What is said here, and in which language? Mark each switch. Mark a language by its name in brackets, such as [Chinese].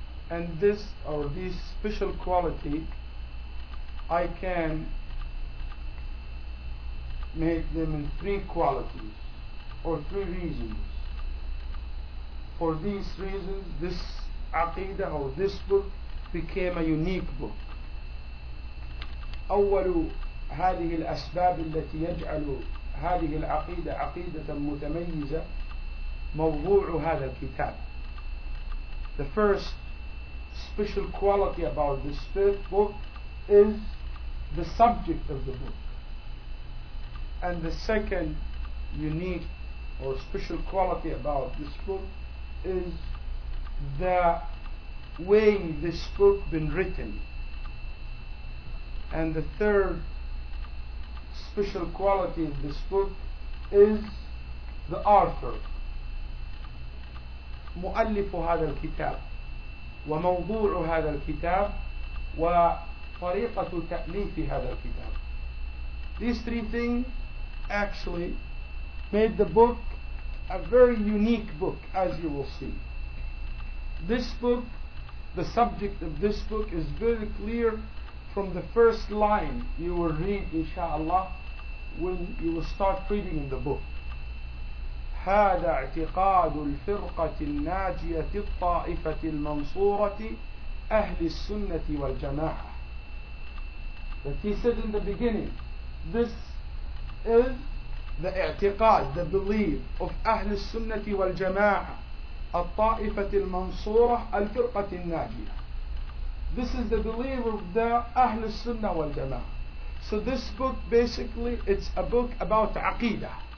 [English] And this, or this special quality, I can make them in three qualities or three reasons. For these reasons, this Aqidah or this book became a unique book. [Arabic] أول هذه الأسباب التي يجعل هذه العقيدة عقيدة متميزة موضوع هذا الكتاب. [English] The first special quality about this third book is the subject of the book. And the second unique or special quality about this book is the way this book been written. And the third special quality of this book is the author, [Arabic] مؤلف هذا الكتاب وموضوع هذا الكتاب [English] و طريقة تأليف هذا الكتاب. These three things actually made the book a very unique book, as you will see. This book, the subject of this book is very clear from the first line you will read, inshallah, when you will start reading in the book. [Arabic] هذا اعتقاد الفرقة الناجية الطائفة المنصورة أهل السنة والجماعة. [English] That he said in the beginning, this is the i'tiqad, the belief of Ahl al-Sunnah wal-Jama'ah, al-Ta'ifat al-Mansurah, al-Firqat al-Najiyah. This is the belief of the Ahl al-Sunnah wal-Jama'ah. So this book, basically, it's a book about Aqidah.